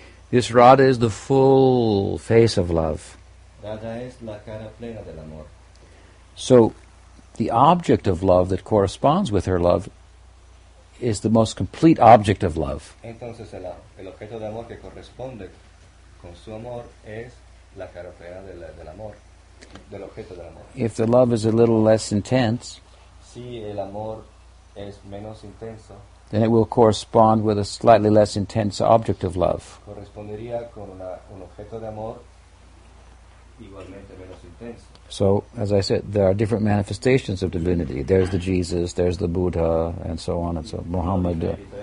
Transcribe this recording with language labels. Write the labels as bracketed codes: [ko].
[en] This Radha is the full face of love. [es] Radha es la cara plena del amor. [en] So, the object of love that corresponds with her love is the most complete object of love. [es] Entonces el objeto de amor que corresponde con su amor es la cara plena del amor, del objeto del amor. [en] If the love is a little less intense, [es] si el amor es menos intenso, [en] then it will correspond with a slightly less intense object of love. [es] Correspondería con un objeto de amor igualmente menos intenso. [en] So, as I said, there are different manifestations of divinity. There's the Jesus, there's the Buddha, and so on and so on. Muhammad.